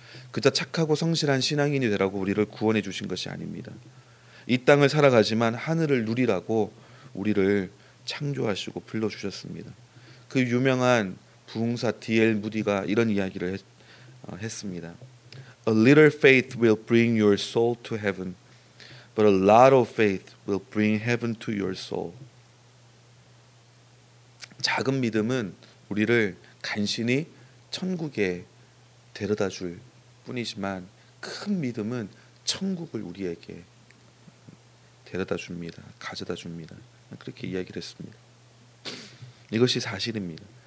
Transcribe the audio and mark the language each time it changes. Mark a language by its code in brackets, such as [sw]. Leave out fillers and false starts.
[ko] 그저 착하고 성실한 신앙인이 되라고 우리를 구원해 주신 것이 아닙니다. 이 땅을 살아가지만 하늘을 누리라고 우리를 창조하시고 불러주셨습니다. 그 유명한 부흥사 D.L. 무디가 이런 이야기를 했습니다. [en] A little faith will bring your soul to heaven, but a lot of faith will bring heaven to your soul. [ko] 작은 믿음은 우리를 간신히 천국에 데려다 줄 뿐이지만 큰 믿음은 천국을 우리에게 데려다 줍니다. 가져다 줍니다. 그렇게 이야기를 했습니다. 이것이 사실입니다.